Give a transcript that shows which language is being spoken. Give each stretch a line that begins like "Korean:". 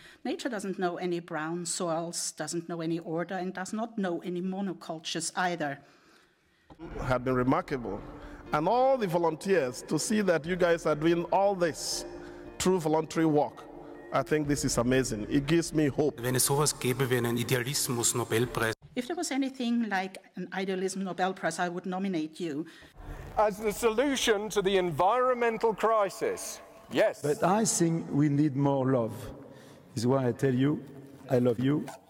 English: Nature doesn't know any brown soils, doesn't know any order, and does not know any monocultures either. Have been remarkable. And all the volunteers, to see that you guys are doing all this through voluntary work, I think this is amazing. It gives me hope.
German: Wenn es sowas gäbe wie einen Idealismus Nobelpreis.
English: If there was anything like an idealism Nobelpreis, I would nominate you. As the solution to the environmental crisis, yes. But I think we need more love. Is why I tell you, I love you.